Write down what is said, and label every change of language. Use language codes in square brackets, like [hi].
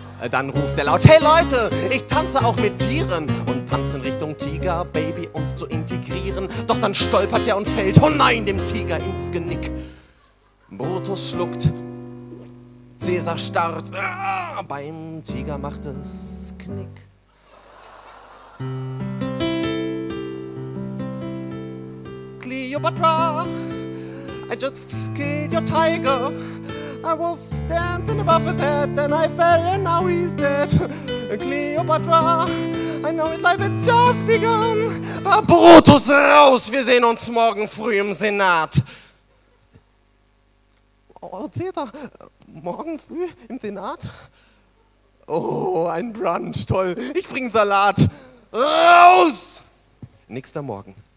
[de] Dann ruft er laut, hey Leute, ich tanze auch mit Tieren und tanze in Richtung Tiger, Baby, uns zu integrieren. Doch dann stolpert er und fällt, oh nein, dem Tiger ins Genick. Brutus schluckt, Cäsar starrt, beim Tiger macht es Knick. [en] Cleopatra, I just killed your tiger. I was standing above his head, then I fell and now he's dead. Cleopatra, I know his life has just begun. [de] Brutus raus, wir sehen uns morgen früh im Senat. Oh, Cäsar, morgen früh im Senat? Oh, ein Brunch, toll, ich bring Salat. Raus! Nächster Morgen.